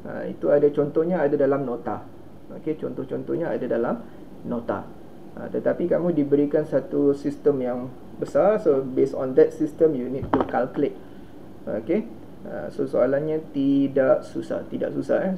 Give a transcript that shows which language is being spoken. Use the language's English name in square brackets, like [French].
[Malay] Itu ada contohnya, ada dalam nota. Okay, contoh-contohnya ada dalam nota. Tetapi kamu diberikan satu sistem yang besar. [English] So based on that system you need to calculate. Okay. [Malay] So soalannya tidak susah, tidak susah eh.